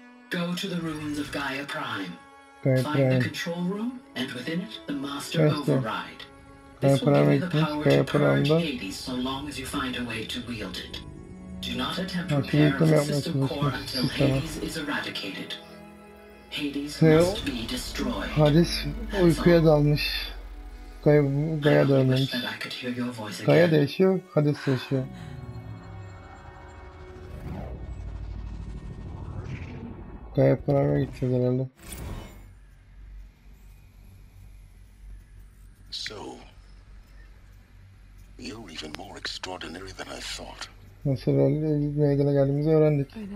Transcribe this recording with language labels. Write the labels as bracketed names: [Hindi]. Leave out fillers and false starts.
[English] Go to the ruins of Gaia Prime. Find the control room, and within it, the master override. This will give you the power to purge Hades so long as you find a way to wield it. Do not attempt repair of the system core until Hades is eradicated. Hades must be destroyed. [Turkish] Hades uykuya dalmış. Gaya da ölmemiş. Gaya da yaşıyor, Hades de yaşıyor. Gaya Prime'a gideceğiz herhalde. [English] So, you're even more extraordinary than I thought. [Turkish] Nasıl meydana geldiğimizi öğrendik.